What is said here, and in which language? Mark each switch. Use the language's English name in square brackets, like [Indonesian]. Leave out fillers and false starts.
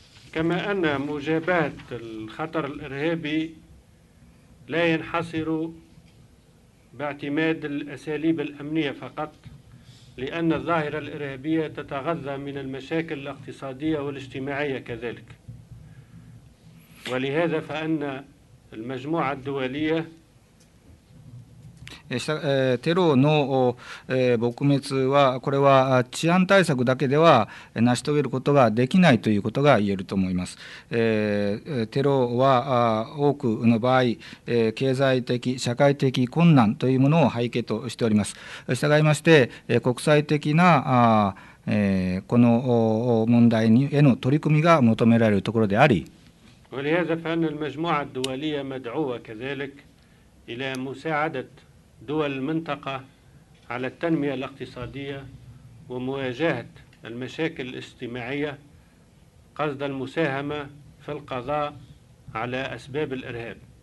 [Arabic] كما أن مجابهة الخطر الإرهابي لا ينحصر باعتماد الأساليب الأمنية فقطلأن الظاهرة الإرهابية تتغذى من المشاكل الاقتصادية والاجتماعية كذلك ولهذا فأن المجموعة الدولية [Japanese] テロの撲滅はこれは治安対策だけでは成し遂げることができないということが言えると思います。テロは多くの場合経済的社会的困難というものを背景としております。従いまして国際的なこの問題への取り組みが求められるところであり [Arabic] ولهذا فأن المجموعة الدولية مدعوة كذلك إلى مساعدةدول المنطقة على التنمية الاقتصادية ومواجهة المشاكل الاجتماعية قصد المساهمة في القضاء على أسباب الإرهاب